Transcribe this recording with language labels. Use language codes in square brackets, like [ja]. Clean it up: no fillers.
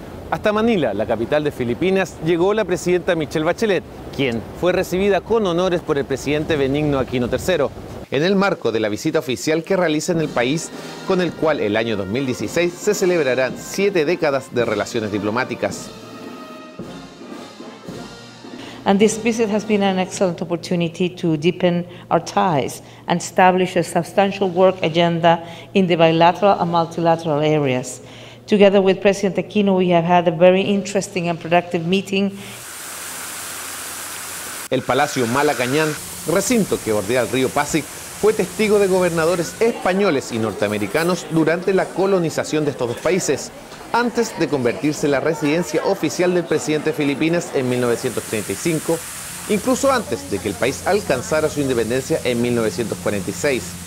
[es] Hasta Manila, la capital de Filipinas, llegó la presidenta Michelle Bachelet, quien fue recibida con honores por el presidente Benigno Aquino III, en el marco de la visita oficial que realiza en el país, con el cual el año 2016 se celebrarán 7 décadas de relaciones diplomáticas. [en] And this visit has been an excellent opportunity to deepen our ties and establish a substantial work agenda in the bilateral and multilateral areas. Together with President Aquino, we have had a very interesting and productive meeting. [es] El Palacio Malacañán, recinto que bordea el río Pasig, fue testigo de gobernadores españoles y norteamericanos durante la colonización de estos dos países, antes de convertirse en la residencia oficial del presidente de Filipinas en 1935, incluso antes de que el país alcanzara su independencia en 1946.